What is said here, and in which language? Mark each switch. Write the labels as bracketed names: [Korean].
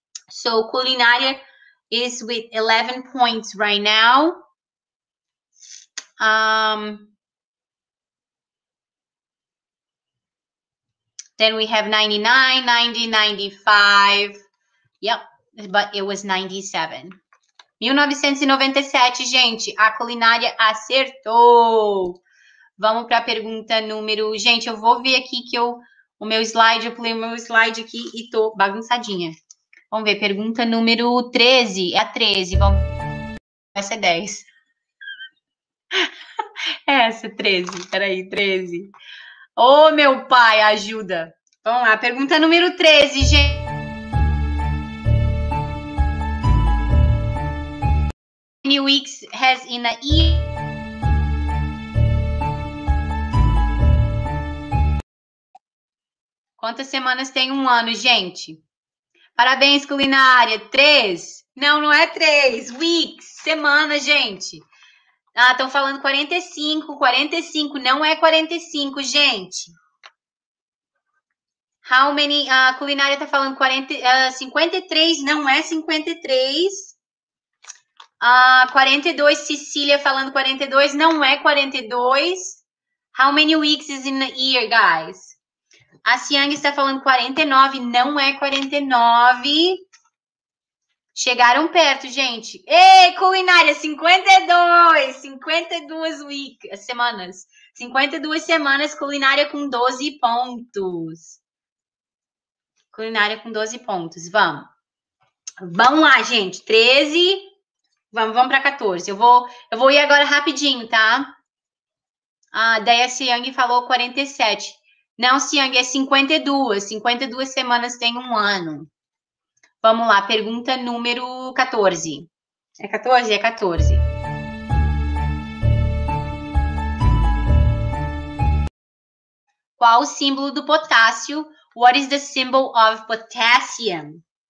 [English] So, culinária... is with 11 points right now. Then we have 99, 90, 95. Yep, but it was 97. [Portuguese] 1997, gente, a culinária acertou. Vamos para a pergunta número... Gente, eu vou ver aqui que eu pulei o meu slide aqui e tô bagunçadinha. Vamos ver, pergunta número 13. É a 13, vamos... Essa é 10. Essa, 13. Peraí, 13. Ô, meu pai, ajuda. Vamos lá, pergunta número 13, gente. [English] How many weeks has in a year? [Portuguese] Quantas semanas tem um ano, gente? Parabéns, culinária. 3? Não, não é 3. Weeks. Semana, gente. Ah, estão falando 45. 45. Não é 45, gente. [English] How many... [Portuguese] A culinária está falando 40, 53. Não é 53. 42. Cecília falando 42. Não é 42. [English] How many weeks is in a year, guys? [Portuguese] A Siang está falando 49, não é 49. Chegaram perto, gente. Ei, culinária, 52! [English] 52 weeks, [Portuguese] semanas. 52 semanas, culinária com 12 pontos. Culinária com 12 pontos, vamos. Vamos lá, gente. 13, vamos para 14. Eu vou ir agora rapidinho, tá? Daí a Siang falou 47. Não, Siang, é 52. 52 semanas tem um ano. Vamos lá, pergunta número 14. É 14? É 14. Qual o símbolo do potássio? [English] What is the symbol of potassium?